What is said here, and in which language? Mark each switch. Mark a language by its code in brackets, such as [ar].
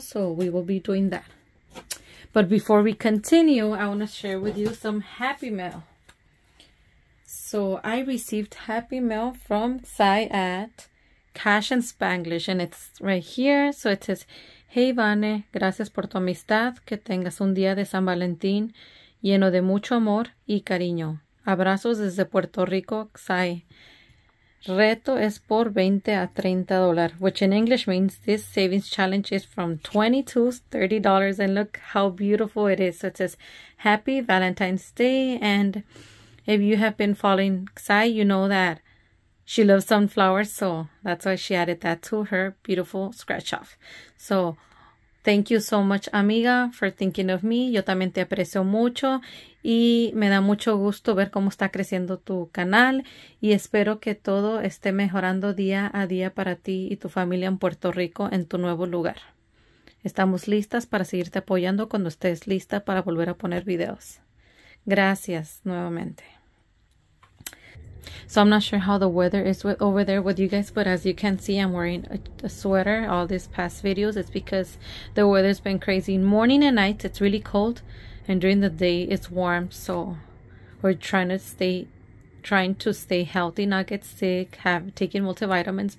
[en] So we will be doing that. But before we continue, I want to share with you some happy mail. So I received happy mail from Sai at Cash and Spanglish, and it's right here. So it says, "Hey Vane, [es] gracias por tu amistad. Que tengas un día de San Valentín lleno de mucho amor y cariño. Abrazos desde Puerto Rico, Sai. Reto es por 20 a 30 dólares, [en] which in English means this savings challenge is from 20 to $30. And look how beautiful it is. So it says, "Happy Valentine's Day." And if you have been following Sai, you know that she loves sunflowers, so that's why she added that to her beautiful scratch-off. So, thank you so much, amiga, for thinking of me. [es] Yo también te aprecio mucho, y me da mucho gusto ver cómo está creciendo tu canal, y espero que todo esté mejorando día a día para ti y tu familia en Puerto Rico, en tu nuevo lugar. Estamos listas para seguirte apoyando cuando estés lista para volver a poner videos. Gracias nuevamente. [en] So I'm not sure how the weather is over there with you guys, but as you can see, I'm wearing a sweater all these past videos. It's because the weather's been crazy. Morning and night, it's really cold, and during the day, it's warm. So we're trying to stay healthy, not get sick, have taken multivitamins.